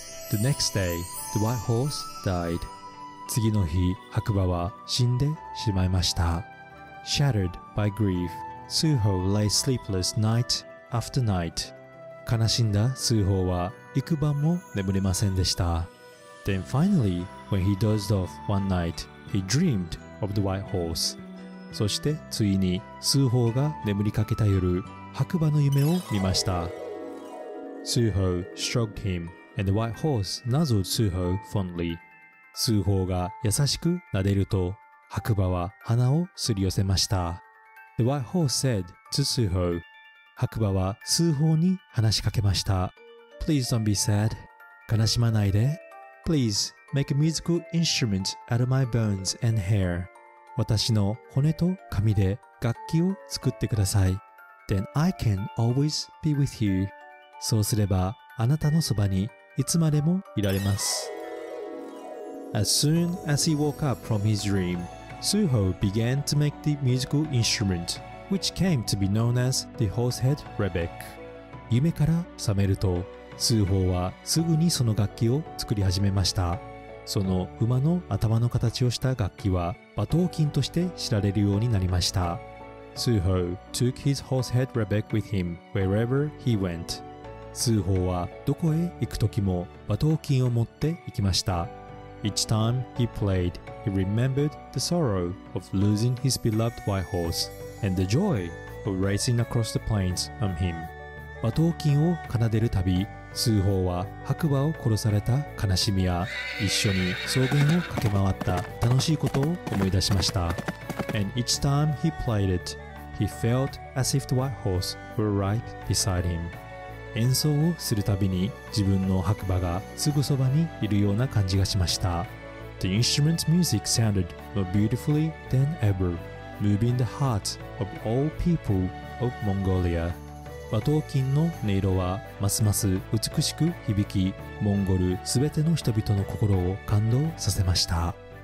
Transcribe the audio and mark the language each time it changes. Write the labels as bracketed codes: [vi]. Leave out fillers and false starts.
[en] The next day, the white horse died. [ja] 次の日、白馬は死んでしまいました。 [en] Shattered by grief, Suho lay sleepless night after night. [ja] 悲しんだ Suho は幾晩も眠れませんでした。 [en] Then finally, when he dozed off one night, he dreamedOf the white horse. [ja] そしてついに数方が眠りかけた夜、白馬の夢を見ました。 [en] Suho stroked him, and the white horse nuzzled Suho fondly. [ja] 数方が優しく撫でると、白馬は鼻をすり寄せました。 [en] The white horse said to Suho, [ja] 白馬は数方に話しかけました。 [en] Please don't be sad. [ja] 悲しまないで。 [en] Please. Make a musical instrument out of my bones and hair. [ja] 私の骨と髪で楽器を作ってください。 [en] Then I can always be with you. [ja] そうすればあなたのそばにいつまでもいられます。 [en] As soon as he woke up from his dream, Suho began to make the musical instrument, which came to be known as the horsehead rebec. [ja] 夢から覚めると、Suho はすぐにその楽器を作り始めました。その馬の頭の形をした楽器は馬頭琴として知られるようになりました。 [en] Suho took his horsehead rebec with him wherever he went. [ja] Suho はどこへ行くときも馬頭琴を持って行きました。 [en] Each time he played, he remembered the sorrow of losing his beloved white horse and the joy of racing across the plains on him. [ja] 馬頭琴を奏でるたび、スーホーは白馬を殺された悲しみや一緒に草原を駆け回った楽しいことを思い出しました。 [en] And each time he played it, he felt as if the white horse were right beside him. [ja] 演奏をするたびに自分の白馬がすぐそばにいるような感じがしました。 [en] The instrument's music sounded more beautifully than ever, moving the hearts of all people of Mongolia. [ja] 馬頭琴の音色はますます美しく響き、モンゴルすべての人々の心を感動させました。